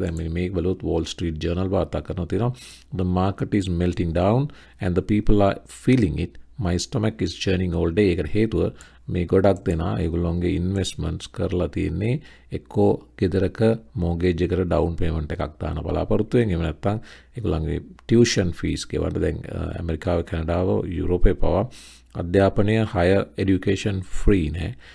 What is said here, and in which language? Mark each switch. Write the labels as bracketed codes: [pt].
[si] දැන් මේ බලුවොත් Wall Street Journal වාර්තා කරනවා තියෙනවා. [en] The market is melting down and the people are feeling it. My stomach is churning all day. [si] ඒකට හේතුව මේ ගොඩක් දෙනා ඒගොල්ලෝන්ගේ ඉන්වෙස්ට්මන්ට්ස් කරලා තියෙන්නේ එක්කෝ ගෙදරක මෝගේජ් එකකට ඩවුන් පේමන්ට් එකක් දාන බලාපොරොත්තු වෙන, එහෙම නැත්නම් ඒගොල්ලන්ගේ ටියුෂන් ෆීස් කියවට දැන් ඇමරිකාව, කැනඩාව, යුරෝපේ පවා අධ්‍යාපනය [en] higher education free [si] නේ.